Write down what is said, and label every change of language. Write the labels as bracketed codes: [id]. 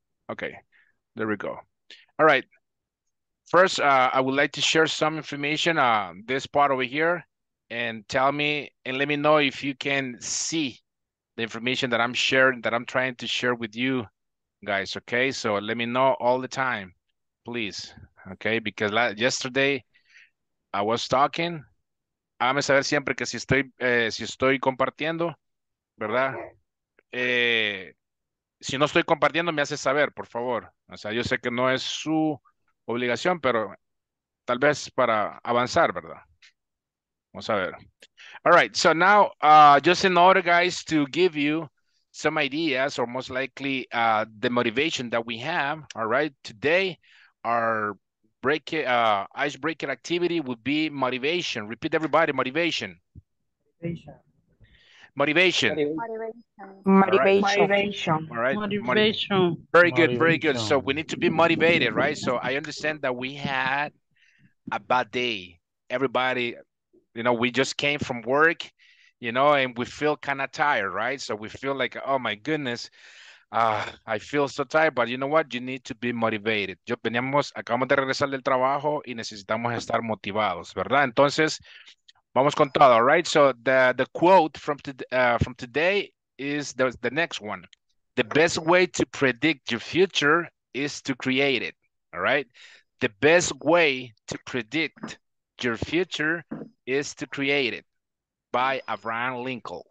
[en] Okay, there we go. All right, first, I would like to share some information on this part over here. And tell me and let me know if you can see the information that I'm sharing, that I'm trying to share with you guys, okay? So let me know all the time, please, okay? Because yesterday I was talking. [es] Háganme saber siempre que si estoy compartiendo, ¿verdad? Si no estoy compartiendo, me hace saber, por favor. O sea, yo sé que no es su obligación, pero tal vez para avanzar, ¿verdad? Vamos a ver. [en] All right, so now, just in order, guys, to give you some ideas, or most likely the motivation that we have, all right, today, our icebreaker activity would be motivation. Repeat, everybody, motivation. Motivation. Motivation. Motivation. All right. Motivation. Very good, very good. So we need to be motivated, right? So I understand that we had a bad day. Everybody... You know, we just came from work, you know, and we feel kind of tired, right? So we feel like, oh my goodness, I feel so tired. But you know what? You need to be motivated. [es] Yo veníamos, acabamos de regresar del trabajo y necesitamos estar motivados, ¿verdad? Entonces, vamos con todo, [en] all right? So the quote from today is the next one. The best way to predict your future is to create it, all right? The best way to predict your future is to create it by Abraham Lincoln.